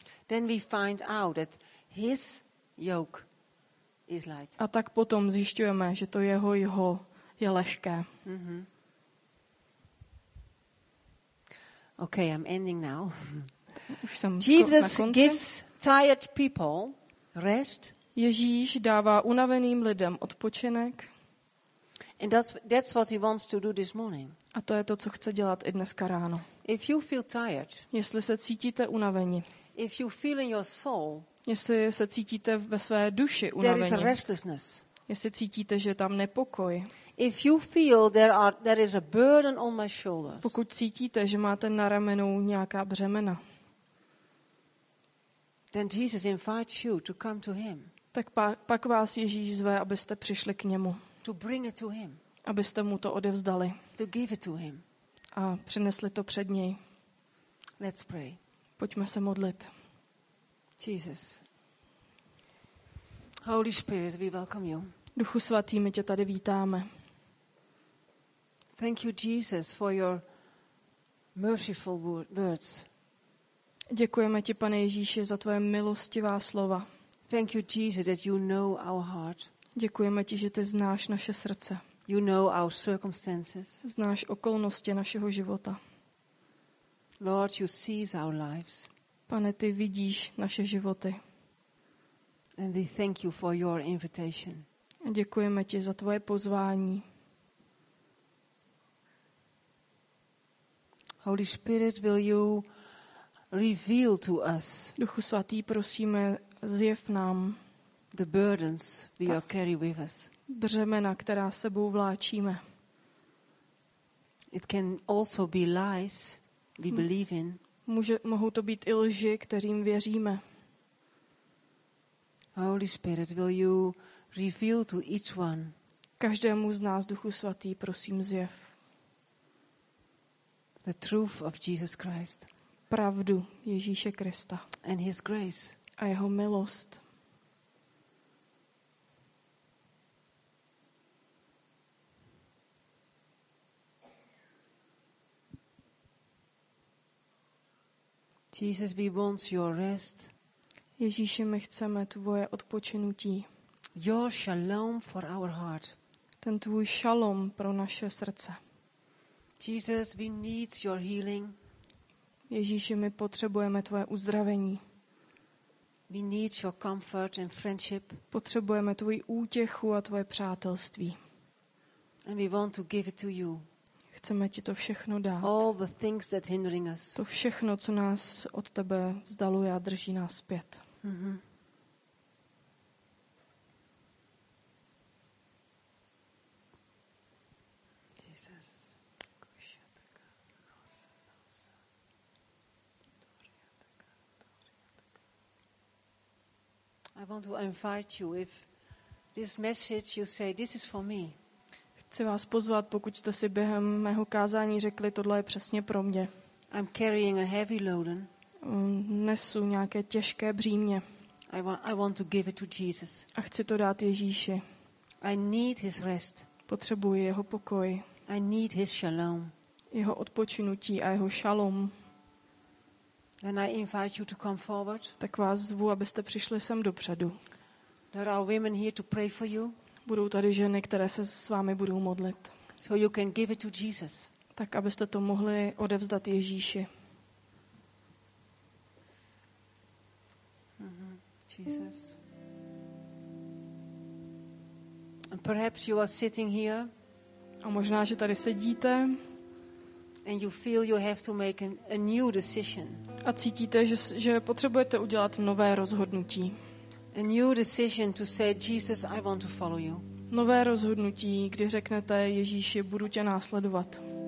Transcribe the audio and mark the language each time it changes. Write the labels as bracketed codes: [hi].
[en] Then we find out that his yoke is light. [cs] A tak potom zjišťujeme, že to jeho jho je lehké. [en] Mm-hmm. Okay, I'm ending now. [cs] Už jsem [en] Jesus [cs] na konci. [en] Gives tired people rest. [cs] Ježíš dává unaveným lidem odpočinek. [en] And that's what he wants to do this morning. [cs] A to je to, co chce dělat i dneska ráno. [en] If you feel tired. [cs] Jestli se cítíte unaveni. [en] If you feel in your soul. [cs] Jestli se cítíte ve své duši unaveni. [en] There is a restlessness. [cs] Jestli cítíte, že je tam nepokoj. [en] If you feel there is a burden on my shoulders. [cs] Pokud cítíte, že máte na ramenou nějaká břemena. [en] Then Jesus invites you to come to him. [cs] Tak pak vás Ježíš zve, abyste přišli k němu. [en] To bring it to him. [cs] Abyste mu to odevzdali. [en] To give it to him. [cs] A přinesli to před něj. [en] Let's pray. [cs] Pojďme se modlit. [en] Jesus. Holy Spirit, we welcome you. [cs] Duchu svatý, my tě tady vítáme. [en] Thank you Jesus for your merciful words. [cs] Děkujeme ti, Pane Ježíši, za tvoje milostivá slova. [en] Thank you Jesus that you know our heart. [cs] Děkujeme ti, že ty znáš naše srdce. [en] You know our circumstances. [cs] Znáš okolnosti našeho života. [en] Lord, you see our lives. [cs] Pane, ty vidíš naše životy. [en] And we thank you for your invitation. [cs] Děkujeme ti za tvoje pozvání. [en] Holy Spirit, will you reveal to us? [cs] Duchu svatý, prosíme, zjev nám [en] the burdens we carry with us. [cs] Břemena, která sebou vláčíme. [en] It can also be lies we believe in. [cs] Mohou to být i lži, kterým věříme. [en] Holy Spirit, will you reveal to each one? [cs] Každému z nás, Duchu svatý, prosím, zjev. [en] The truth of Jesus Christ. [cs] Pravdu Ježíše Krista. [en] And his grace. [cs] A jeho milost. [en] Jesus, we want your rest. [cs] Ježíši, my chceme tvoje odpočinutí. [en] Your shalom for our heart. [cs] Ten tvůj šalom pro naše srdce. [en] Jesus, we need your healing. [cs] Ježíši, my potřebujeme tvoje uzdravení. [en] We need your comfort and friendship. [cs] Potřebujeme tvoji útěchu a tvoje přátelství. [en] And we want to give it to you. [cs] Chceme ti to všechno dát. [en] All the things that hindering us. [cs] To všechno, co nás od tebe vzdaluje a drží nás zpět. Mm-hmm. [en] I want to invite you if this message you say this is for me. [cs] Chci vás pozvat, pokud jste si během mého kázání řekli, tohle je přesně pro mě. [en] I'm carrying a heavy load. [cs] Nesu nějaké těžké břímě. [en] I want to give it to Jesus. [cs] A chci to dát Ježíši. [en] I need his rest. [cs] Potřebuji jeho pokoj. [en] I need his shalom. [cs] Jeho odpočinutí a jeho šalom. [en] And I invite you to come forward. [cs] Tak vás zvu, abyste přišli sem dopředu. [en] There are women here to pray for you. [cs] budou tady ženy, které se s vámi budou modlit. [en] So you can give it to Jesus. [cs] Tak abyste to mohli odevzdat Ježíši. [en] Jesus. And perhaps you are sitting here. [cs] A možná, že tady sedíte. [en] And you feel you have to make a new decision. [cs] A cítíte, že potřebujete udělat nové rozhodnutí. [en] A new decision to say, Jesus, I want to follow you. [cs] Nové rozhodnutí, kdy řeknete, Ježíši, budu tě následovat.